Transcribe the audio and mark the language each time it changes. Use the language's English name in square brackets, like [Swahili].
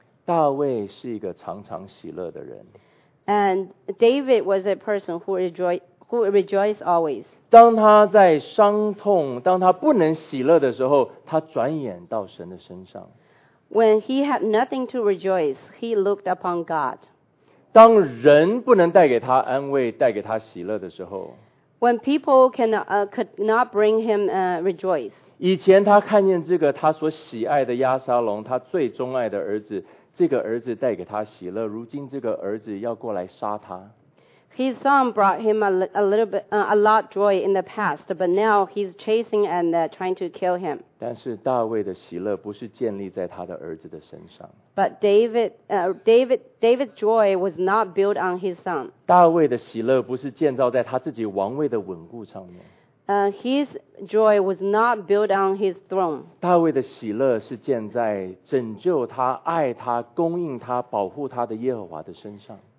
[Chinese] 大卫是一个常常喜乐的人。 [English] And David was a person who rejoiced always. [Chinese] 当他在伤痛，当他不能喜乐的时候，他转眼到神的身上。 [English] When he had nothing to rejoice, he looked upon God. [Chinese] 当人不能带给他安慰，带给他喜乐的时候， [English] When people could not bring him rejoice. [Chinese] 以前他看见这个他所喜爱的亚撒龙，他最钟爱的儿子，这个儿子带给他喜乐，如今这个儿子要过来杀他。 [English] His son brought him a lot joy in the past, but now he's chasing and trying to kill him. [Chinese] 但是大卫的喜乐不是建立在他的儿子的身上。 [English] But David's joy was not built on his son. [Chinese] 大卫的喜乐不是建造在他自己王位的稳固上面。 [English] His joy was not built on his throne. [Chinese] 大卫的喜乐是建在拯救他、爱他、供应他、保护他的耶和华的身上。